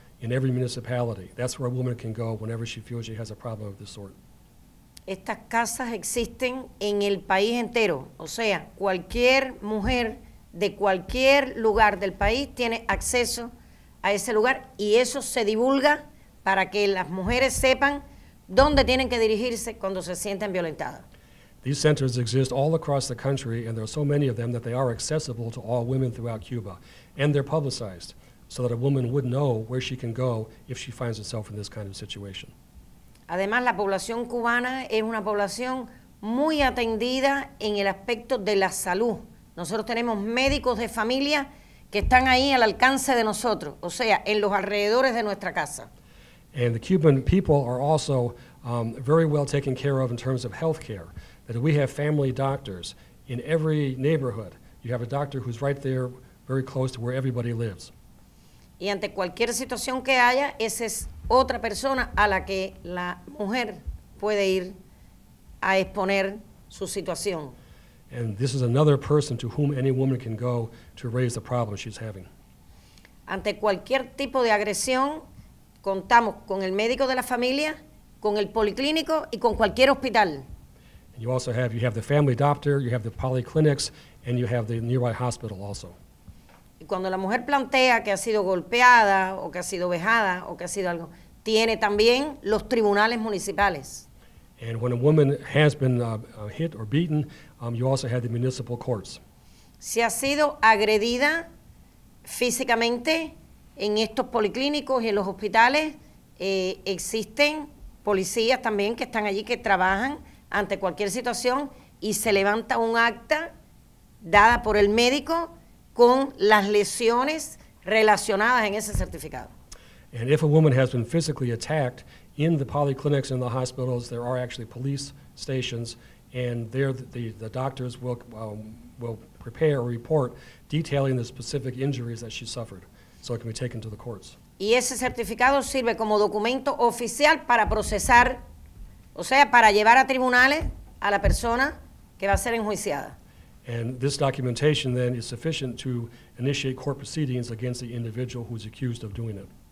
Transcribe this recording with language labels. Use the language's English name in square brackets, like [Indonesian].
[English] In every municipality, that's where a woman can go whenever she feels she has a problem of this sort. [Spanish] Estas casas existen en el país entero, o sea, cualquier mujer de cualquier lugar del país tiene acceso a ese lugar, y eso se divulga para que las mujeres sepan dónde tienen que dirigirse cuando se sienten violentadas. [English] These centers exist all across the country, and there are so many of them that they are accessible to all women throughout Cuba, and they're publicized, so that a woman would know where she can go if she finds herself in this kind of situation. [Spanish] Además, la población cubana es una población muy atendida en el aspecto de la salud. Nosotros tenemos médicos de familia que están ahí al alcance de nosotros, o sea, en los alrededores de nuestra casa. [English] And the Cuban people are also very well taken care of in terms of health care, that we have family doctors in every neighborhood. You have a doctor who's right there, very close to where everybody lives. [Spanish] Y ante cualquier situación que haya, esa es otra persona a la que la mujer puede ir a exponer su situación. [English] And this is another person to whom any woman can go to raise the problem she's having. [Spanish] Ante cualquier tipo de agresión, contamos con el médico de la familia, con el policlínico y con cualquier hospital. [English] And you also have the family doctor, you have the polyclinics, and you have the nearby hospital also. [Spanish] Y cuando la mujer plantea que ha sido golpeada o que ha sido vejada o que ha sido algo, tiene también los tribunales municipales. [English] And when a woman has been hit or beaten, you also have the municipal courts. [Spanish] Si ha sido agredida físicamente en estos policlínicos y en los hospitales, existen policías también que están allí, que trabajan ante cualquier situación, y se levanta un acta dada por el médico con las lesiones relacionadas en ese certificado. [English] And if a woman has been physically attacked in the polyclinics and the hospitals, there are actually police stations, and there the doctors will prepare a report detailing the specific injuries that she suffered, so it can be taken to the courts. [Spanish] Y ese certificado sirve como documento oficial para procesar, o sea, para llevar a tribunales a la persona que va a ser enjuiciada. [English] And this documentation then is sufficient to initiate court proceedings against the individual who's accused of doing it.